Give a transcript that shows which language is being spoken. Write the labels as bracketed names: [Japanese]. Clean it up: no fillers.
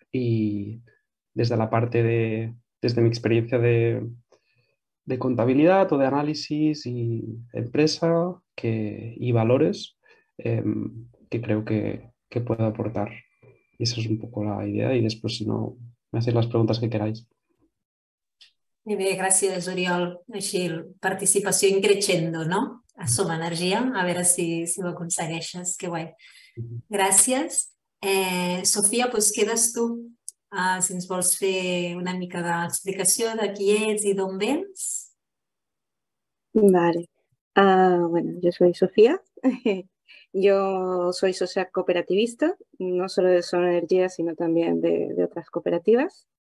[Spanish] Y desde mi experiencia de contabilidad o de análisis y empresa y valores, que creo que puedo aportar. Y esa es un poco la idea. Y después, si no, me hacéis las preguntas que queráis. [Catalan] Muy bé, gràcies, Oriol. Així, participació in crescendo, no? A Somenergia, a veure si ho aconsegueixes. Que guai. Gràcies. Sofia, doncs quedes tu, si ens vols fer una mica d'explicació de qui ets i d'on vens. [Spanish] Vale. Bueno, yo soy Sofía. Yo soy socia cooperativista, no solo de Sonergia, sino también de otras cooperativas.